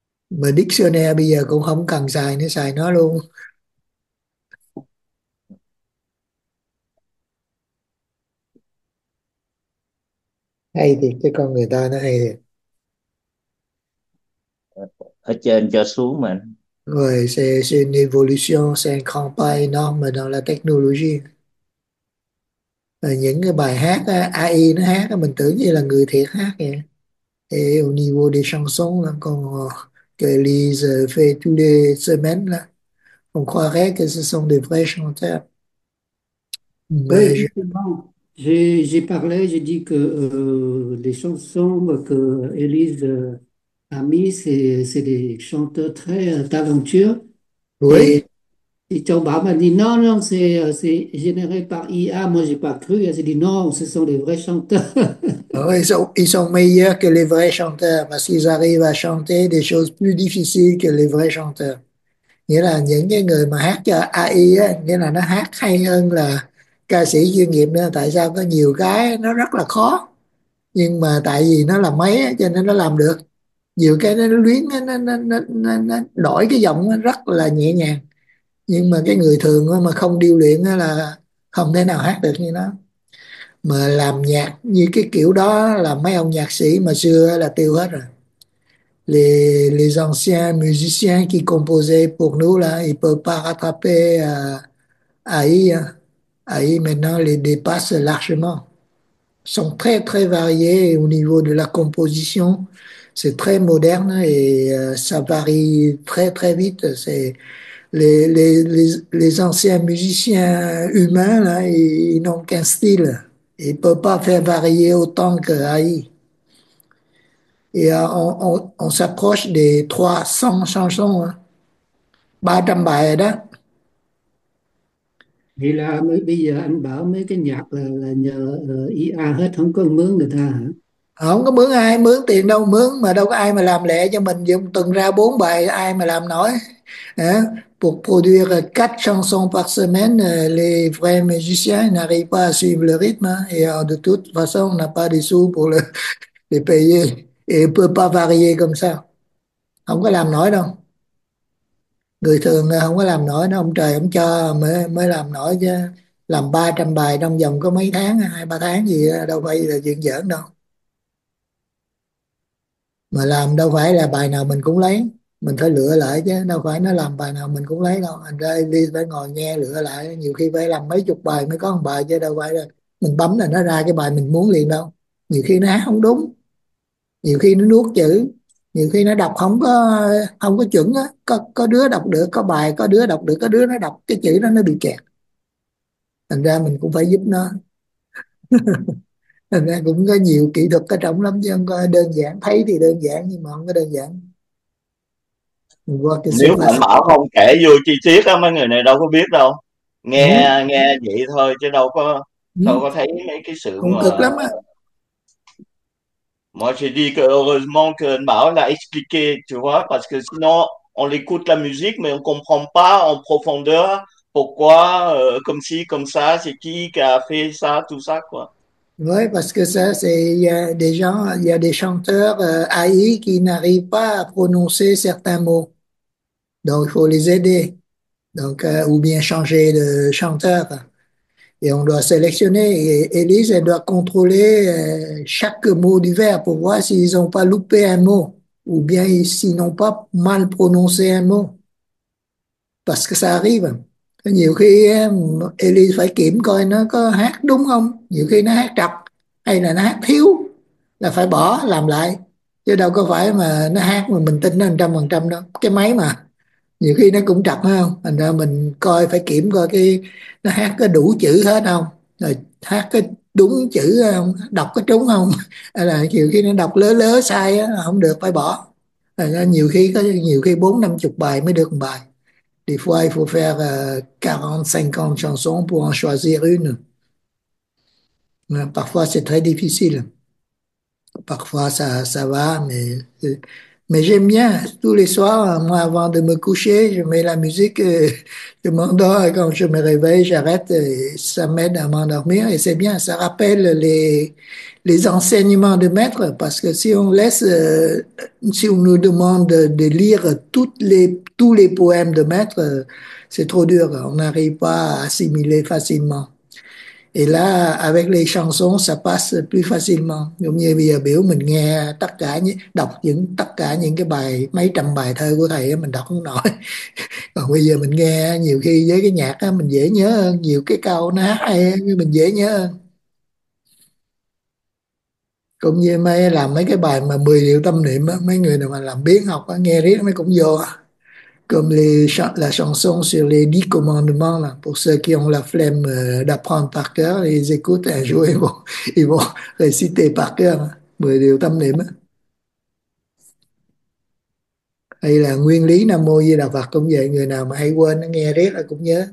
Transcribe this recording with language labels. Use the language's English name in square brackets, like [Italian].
[Vietnamese] Mà dictionary bây giờ cũng không cần xài nữa, xài nó luôn. Hay thì cái con người ta nó hay thiệt. Ở trên cho xuống mà. Rồi, [French] c'est une évolution, c'est un grand pas énorme dans la technologie. [Vietnamese] Rồi, những cái bài hát AI nó hát, mình tưởng như là người thiệt hát vậy. [French] Et au niveau des chansons, là con qu'elle fait toutes les semaines, là, on croirait que ce sont des vrais chanteurs. Oui, Mais je... justement. J'ai dit que les chansons que Élise a mis, c'est des chanteurs très talentueux. Oui. Et Thomas m'a dit non, non, c'est généré par IA. Moi, j'ai pas cru. Elle s'est dit non, ce sont des vrais chanteurs. Alors, ils sont meilleurs que les vrais chanteurs parce qu'ils arrivent à chanter des choses plus difficiles que les vrais chanteurs. [Vietnamese] Nghĩa là những cái người mà hát cho AI á, nghĩa là nó hát hay hơn là ca sĩ chuyên nghiệp nữa. Tại sao có nhiều cái nó rất là khó, nhưng mà tại vì nó là máy á, cho nên nó làm được. Nhiều cái nó luyến nó đổi cái giọng nó rất là nhẹ nhàng, nhưng mà cái người thường mà không điêu luyện là không thể nào hát được như nó. Mà làm nhạc như cái kiểu đó là mấy ông nhạc sĩ mà xưa là tiêu hết rồi. [French] Les anciens musiciens qui composaient pour nous là ils peuvent pas rattraper AI maintenant les dépasse largement. Sont très très variés au niveau de la composition. C'est très moderne et ça varie très très vite. C'est les anciens musiciens humains là, ils n'ont qu'un style. Ils peuvent pas faire varier autant que AI. Et on s'approche des 300 chansons, hein. [Vietnamese] 300 bài rồi đó. Vậy là bây giờ anh bảo mấy cái nhạc là nhờ IA hết, không có mướn người ta hả? Không có mướn ai, mướn tiền đâu mướn, mà đâu có ai mà làm lẹ cho mình, dùng tuần ra bốn bài ai mà làm nổi. Pour produire quatre chansons par semaine, les vrais musiciens n'arrivent pas à suivre le rythme et de toute façon, on n'a pas des sous pour les payer et on ne peut pas varier comme ça. Không có làm nổi đâu. Người thường không có làm nổi đâu, ông trời ông cho mới làm nổi chứ. Làm 300 bài trong vòng có mấy tháng, 2-3 tháng gì đâu phải là chuyện giỡn đâu. Mà làm đâu phải là bài nào mình cũng lấy, mình phải lựa lại chứ, đâu phải nó làm bài nào mình cũng lấy đâu. Anh ra đi phải ngồi nghe lựa lại, nhiều khi phải làm mấy chục bài mới có một bài chứ, đâu phải là mình bấm là nó ra cái bài mình muốn liền đâu. Nhiều khi nó hát không đúng, nhiều khi nó nuốt chữ, nhiều khi nó đọc không có chuẩn á. Có đứa đọc được, có bài có đứa đọc được, có đứa nó đọc cái chữ đó nó bị kẹt, thành ra mình cũng phải giúp nó. Thành ra cũng có nhiều kỹ thuật ở trong lắm chứ không có đơn giản. Thấy thì đơn giản nhưng mà không có đơn giản. Mình qua cái Nếu mà sofa anh bảo không kể vô chi tiết á, mấy người này đâu có biết đâu, xem. nghe nghe vậy thôi chứ đâu có thấy mấy cái sự Cũng cực lắm á. [French] moi j'ai dit que heureusement que anh bảo là expliquer, tu vois, parce que sinon on écoute la musique mais on comprend pas en profondeur pourquoi comme ci comme ça, c'est qui a fait ça, tout ça quoi. Oui, parce que ça, c'est, il y a des chanteurs AI qui n'arrivent pas à prononcer certains mots. Donc, il faut les aider. Donc, ou bien changer de chanteur. Et on doit sélectionner. Et Elise, elle doit contrôler chaque mot du verbe pour voir s'ils n'ont pas loupé un mot ou bien s'ils n'ont pas mal prononcé un mot. Parce que ça arrive. [Vietnamese] Nhiều khi Elise phải kiểm coi nó có hát đúng không, nhiều khi nó hát trật hay là nó hát thiếu là phải bỏ làm lại, chứ đâu có phải mà nó hát mà mình tin nó 100% đâu. Cái máy mà nhiều khi nó cũng trật phải không, thành ra mình coi phải kiểm coi cái nó hát có đủ chữ hết không, rồi hát cái đúng chữ không, đọc có trúng không, hay là nhiều khi nó đọc lớ lớ sai đó, không được phải bỏ. Thành ra nhiều khi có nhiều khi 40-50 bài mới được một bài. [French] Des fois, il faut faire 40-50 chansons pour en choisir une. Mais parfois, c'est très difficile. Parfois, ça va, mais j'aime bien. Tous les soirs, moi, avant de me coucher, je mets la musique, je m'endors et quand je me réveille, j'arrête et ça m'aide à m'endormir. Et c'est bien, ça rappelle les enseignements du maître, parce que si on laisse, si on nous demande de lire tous les poèmes de maître, c'est trop dur, on n'arrive pas à assimiler facilement. Et là, avec les chansons, ça passe plus facilement. [Vietnamese] Giống như bây giờ biểu mình nghe tất cả những đọc những tất cả những cái bài mấy trăm bài thơ của thầy mình đọc không nổi. Còn bây giờ mình nghe nhiều khi với cái nhạc á mình dễ nhớ hơn, nhiều cái câu nó hát hay mình dễ nhớ hơn. Cũng như mấy làm mấy cái bài mà 10 điệu tâm niệm á, mấy người nào mà làm biếng học á, nghe riết mới cũng vô á. [French] Comme la chanson sur les 10 commandements, là, pour ceux qui ont la flemme d'apprendre par cœur, ils écoutent un jour, ils vont réciter par cœur, [Vietnamese] 10 điều tâm niệm. Hay là nguyên lý Nam Mô Di Đà Phật cũng vậy, người nào mà hay quên, nghe riết là cũng nhớ.